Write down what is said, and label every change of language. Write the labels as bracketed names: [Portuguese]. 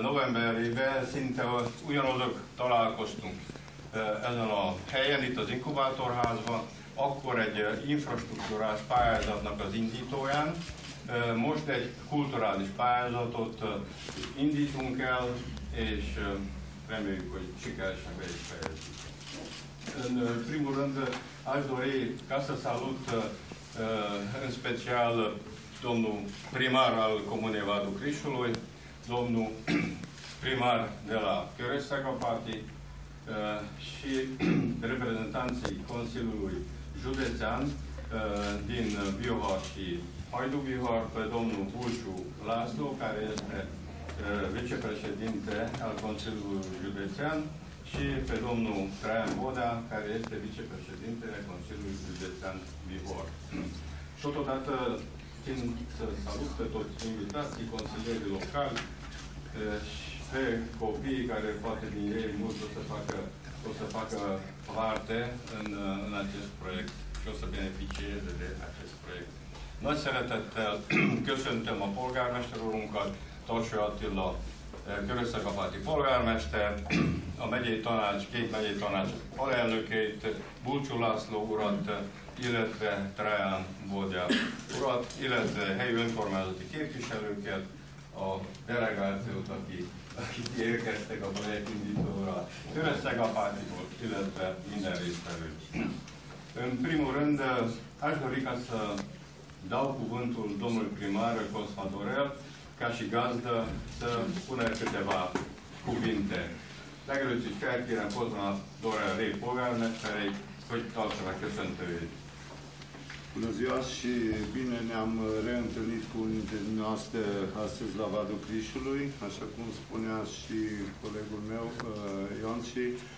[Hungarian] novemberében szinte ugyanazok találkoztunk ezen a helyen, itt az inkubátorházban, akkor egy infrastruktúrás pályázatnak az indítóján. Most egy kulturális pályázatot indítunk el, és reméljük, hogy sikeresen be is fejezzük. [Romanian] În primul rând, aș dori ca să salut în special domnul primar al Comunei Vadul Crișului, domnul primar de la Chiorești Sacopati și reprezentanții Consiliului Județean din Bihor și Hajdú-Bihor, pe domnul Bulciu László, care este vicepreședinte al Consiliului Județean, și pe domnul Traian Boda, care este vicepreședintele Consiliului Județean Bihor. Totodată, țin să salut pe toți invitații, consilierii locali, și pe copiii care poate din ei mulți o să facă parte în acest proiect și o să beneficieze de acest proiect. [Hungarian] Nagy szeretettel köszöntöm a polgármester urunkat, Tarsó Attila, Körösszegapáti polgármester, a megyei tanács, két megyei tanács alelnökét, Bulcsú László urat, illetve Traján Bódja urat, illetve helyi önkormányzati képviselőket, a delegációt, akik érkeztek a projektindítóra, Körösszegapáti volt, illetve minden résztvevőt. [Romanian] În primul rând, aș dori ca să dau cuvântul domnului primar Cosma Dorel, ca și gazdă, să pună câteva cuvinte. [Hungarian] Dacă le ziceți, felkérem Cosma Dorel Ray polgármesterei, hogy tartsa meg köszöntőjét. [Romanian] Bună ziua și bine ne-am reîntâlnit cu unii dintre dumneavoastră astăzi la Vadul Crișului, așa cum spunea și colegul meu, Ionci.